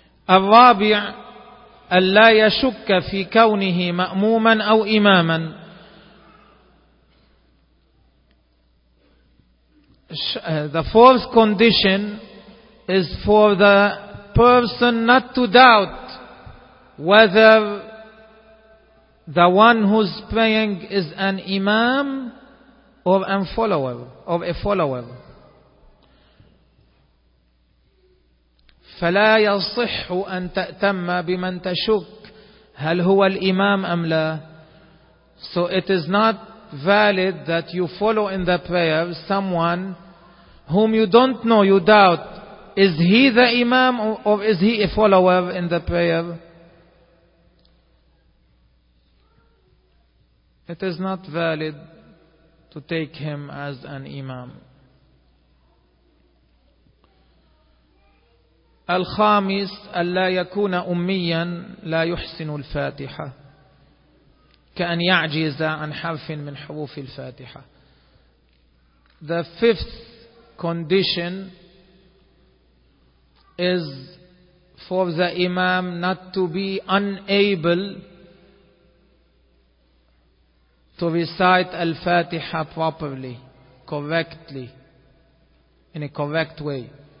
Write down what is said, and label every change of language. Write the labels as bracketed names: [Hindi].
[Arabic] الرابع أن لا يشك في كونه مأموما أو إماما. [English] The fourth condition is for the person not to doubt whether the one who's praying is an imam or a follower, [Arabic] فلا يصح أن تأتم بمن تشك هل هو الإمام أم لا. [English] So it is not valid that you follow in the prayer someone whom you don't know, you doubt, is he the imam or is he a follower in the prayer? It is not valid to take him as an imam. [Arabic] الخامس ألا يكون أميا لا يحسن الفاتحة كأن يعجز عن حرف من حروف الفاتحة. [English] The fifth condition is for the imam not to be unable to recite al-fatiha properly, correctly, in a correct way.